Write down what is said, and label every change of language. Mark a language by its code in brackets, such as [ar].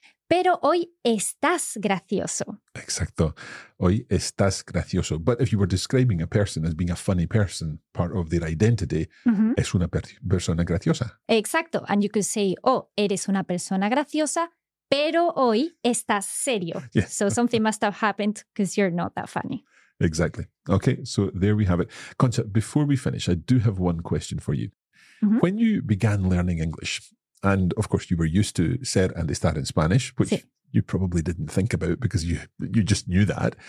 [es] Pero hoy estás gracioso. Exacto. Hoy estás gracioso. [en] But if you were describing a person as being a funny person, part of their identity, mm-hmm. [es] es una persona graciosa. Exacto. [en] And you could say, oh, [es] eres una persona graciosa, pero hoy estás serio. [en] Yeah. So something must have happened because you're not that funny. Exactly. Okay, so there we have it. Concha, before we finish, I do have one question for you. Mm-hmm. When you began learning English, and of course you were used to ser and estar in Spanish, which you probably didn't think about because you just knew that.